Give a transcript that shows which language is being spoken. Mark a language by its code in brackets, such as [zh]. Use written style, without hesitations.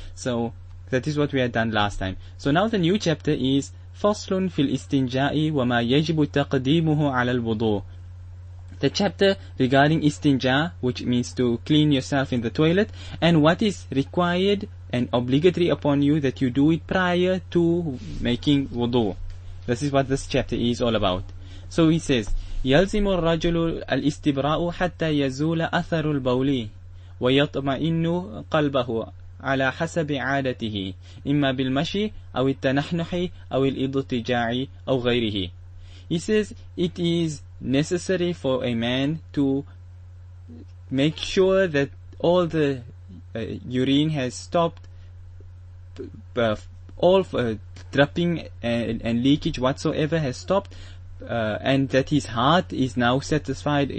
[en] So that is what we had done last time. So now the new chapter is [ar] Faslun fil istinja'i wa ma yajibu taqdimuhu ala al-wudu. [en] The chapter regarding istinja, which means to clean yourself in the toilet, and what is required and obligatory upon you that you do it prior to making wudu. This is what this chapter is all about. So he says, [ar] يَلْزِمُ الرَّجُلُ الْإِسْتِبْرَاءُ حَتَّى يَزُولَ أَثَرُ الْبَوْلِ وَيَطْمَئِنُّ قَلْبَهُ على حسب عادته إما بالمشي أو التنحنح أو الاضطجاع أو غيره. [en] He says it is necessary for a man to make sure that all the urine has stopped all dripping and leakage whatsoever has stopped and that his heart is now satisfied.